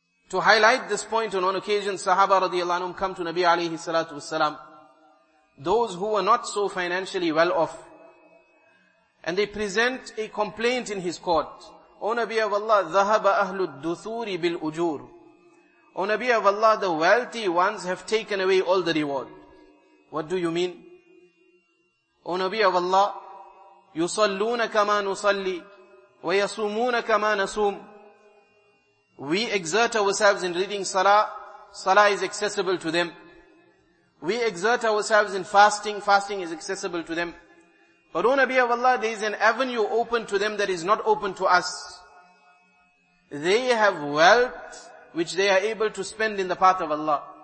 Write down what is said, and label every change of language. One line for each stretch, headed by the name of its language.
English: To highlight this point, on one occasion, sahaba radiallahu anhum come to Nabi alayhi salatu wasalam, those who were not so financially well off, and they present a complaint in his court. O Nabi of Allah,
Arabic: ذَهَبَ أَهْلُ الدُّثُورِ بِالْأُجُورِ.
English: O Nabi of Allah, the wealthy ones have taken away all the reward. What do you mean? O Nabi of Allah,
Arabic: يُصَلُّونَ كَمَا نُصَلِّ وَيَصُومُونَ كَمَا نَصُومُ.
English: We exert ourselves in reading salah. Salah is accessible to them. We exert ourselves in fasting. Fasting is accessible to them. But O Nabi of Allah, there is an avenue open to them that is not open to us. They have wealth which they are able to spend in the path of Allah.